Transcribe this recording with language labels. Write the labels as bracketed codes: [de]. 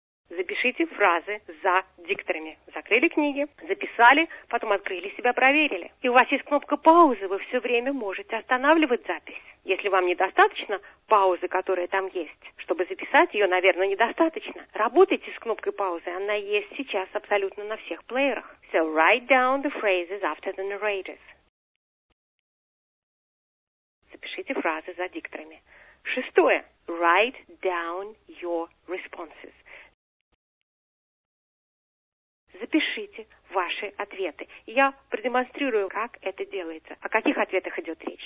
[ru] Запишите фразы за дикторами. Закрыли книги, записали, потом открыли себя, проверили. И у вас есть кнопка паузы, вы все время можете останавливать запись. Если вам недостаточно паузы, которая там есть, чтобы записать ее, наверное, недостаточно. Работайте с кнопкой паузы, она есть сейчас абсолютно на всех плеерах. [en] So write down the phrases after the narrators. [ru] Запишите фразы за дикторами. Шестое. [en] Write down your responses. [ru] Запишите ваши ответы. Я продемонстрирую, как это делается. О каких ответах идет речь?